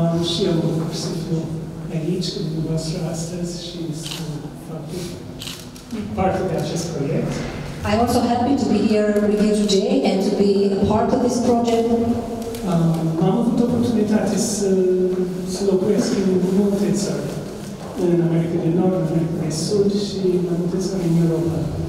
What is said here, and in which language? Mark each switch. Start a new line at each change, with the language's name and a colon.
Romanian: Și eu mă bucur să fiu aici cu dumneavoastră astăzi și să fiu parte de acest proiect.
English: I am also happy to be here with you today and to be a part of this project.
Romanian: Am avut oportunitatea să se locuiesc în multe țări, în America de Nord, în America de Sud și în multe țări în Europa.